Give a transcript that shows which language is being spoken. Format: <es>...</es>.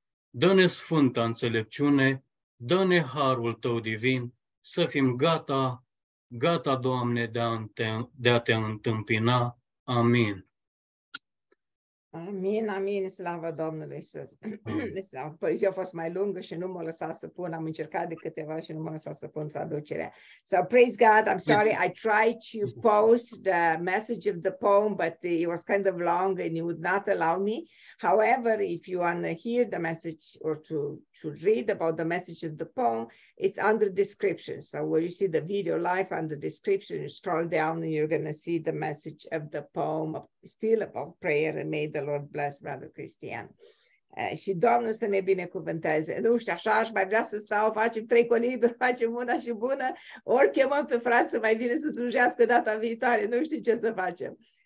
<ro>Dă-ne sfânta înțelepciune, dă-ne harul tău divin, să fim gata, gata, Doamne, de a te întâmpina. Amin. Amin, amin, slavă Domnului Iisus. Poezia a fost mai lungă și nu m-a lăsat să pun, am încercat de câteva și nu m-a lăsat să pun traducerea.</ro> <en>So, praise God, I'm sorry, I tried to post the message of the poem, but it was kind of long and it would not allow me. However, if you want to hear the message or to read about the message of the poem, it's under description. So where you see the video live under description, you scroll down and you're going to see the message of the poem, still about prayer, and may the Lord bless Brother Cristian.</en> <ro>Și Doamne să ne binecuvânteze. Nu știu, așa aș mai vrea să stau, facem trei colibri, facem una și bună, ori chemăm pe frate să mai vine să slujească data viitoare, nu știu ce să facem.</ro>